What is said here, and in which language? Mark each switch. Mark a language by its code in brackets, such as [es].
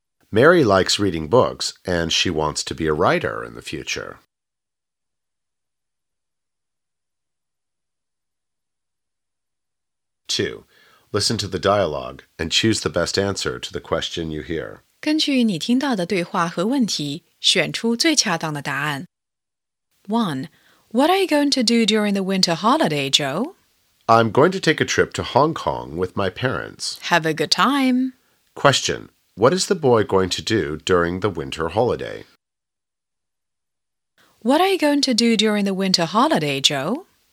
[en] Mary likes reading books and she wants to be a writer in the future. 2. Listen to the dialogue and choose the best answer to the question you hear. [zh] 根据你听到的对话和问题，选出最恰当的答案。 1. [en] What are you going to do during the winter holiday, Joe? I'm going to take a trip to Hong Kong with my parents. Have a good time. Question. What is the boy going to do during the winter holiday? What are you going to do during the winter holiday, Joe?